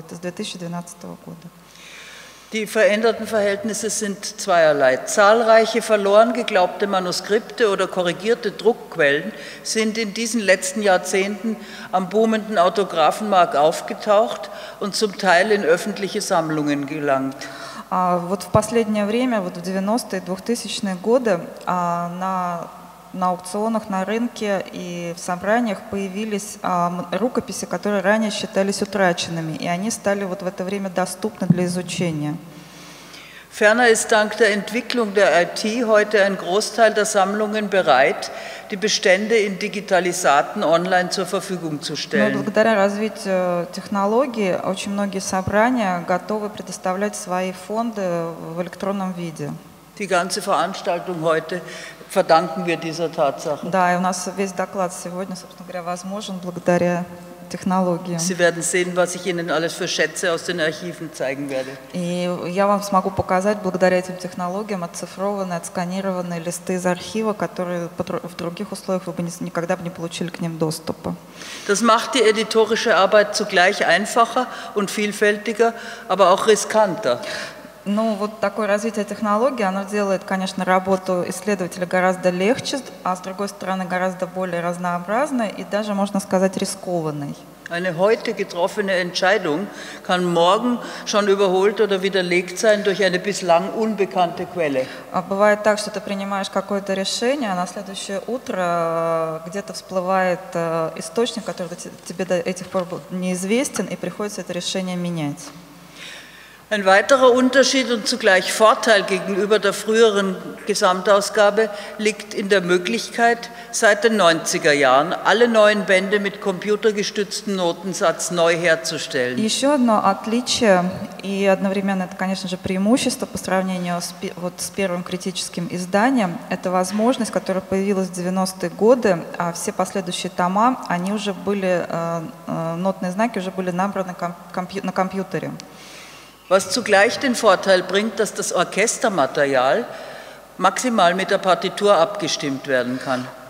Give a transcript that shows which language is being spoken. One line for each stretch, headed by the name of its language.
Russian: Это с 2012 года.
German: Die veränderten Verhältnisse sind zweierlei. Zahlreiche verloren geglaubte Manuskripte oder korrigierte Druckquellen sind in diesen letzten Jahrzehnten am boomenden Autographenmarkt aufgetaucht und zum Teil in öffentliche Sammlungen gelangt.
Russian: Вот в последнее время, вот в 90-е, 2000-е годы, на аукционах, на рынке и в собраниях появились рукописи, которые ранее считались утраченными, и они стали вот в это время доступны для изучения.
German: Ferner ist dank der Entwicklung der IT heute ein Großteil der Sammlungen bereit, die Bestände in Digitalisaten online zur Verfügung zu stellen.
Russian: Но благодаря развитию технологий очень многие собрания готовы предоставлять свои фонды в электронном виде.
German: Die ganze Veranstaltung heute verdanken wir dieser Tatsache.
Russian: Да, у нас весь доклад сегодня, собственно говоря, возможен благодаря технологиям.
German: Sie werden sehen, was ich Ihnen alles für Schätze aus den Archiven zeigen werde.
Russian: И я вам смогу показать благодаря этим технологиям оцифрованные, отсканированные листы из архива, которые в других условиях вы бы никогда бы не получили к ним доступа.
German: Das macht die editorische Arbeit zugleich einfacher und vielfältiger, aber auch riskanter.
Russian: Ну, вот такое развитие технологий, оно делает, конечно, работу исследователя гораздо легче, а с другой стороны, гораздо более разнообразной и даже, можно сказать, рискованной.
German: Eine heute getroffene Entscheidung kann morgen schon überholt oder widerlegt sein durch eine bislang unbekannte Quelle.
Russian: Бывает так, что ты принимаешь какое-то решение, а на следующее утро где-то всплывает источник, который тебе до этих пор был неизвестен, и приходится это решение менять.
German: Ein weiterer Unterschied und zugleich Vorteil gegenüber der früheren Gesamtausgabe liegt in der Möglichkeit, seit den 90er Jahren alle neuen Bände mit computergestütztem Notensatz neu herzustellen.
Russian: Еще одно отличие и одновременно это, конечно же, преимущество по сравнению с, вот, с первым критическим изданием – это возможность, которая появилась в 90-е годы, а все последующие тома, они уже были, нотные знаки уже были набраны на компьютере.
German: Was zugleich den Vorteil bringt, dass das Orchestermaterial maximal mit der Partitur abgestimmt werden kann.